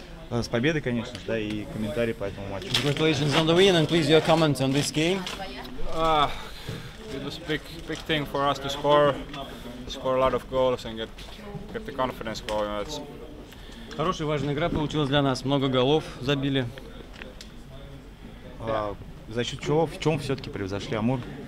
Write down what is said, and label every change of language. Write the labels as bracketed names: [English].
[Russian] С победой, конечно, да, и комментарии по этому матчу. [English] Congratulations on the win and please your comments on this game. It was a big thing for us to score a lot of goals and get the confidence going. That's... [Russian] Хорошая, важная игра получилась для нас. Много голов забили. За счет чего, в чем все-таки превзошли Амур?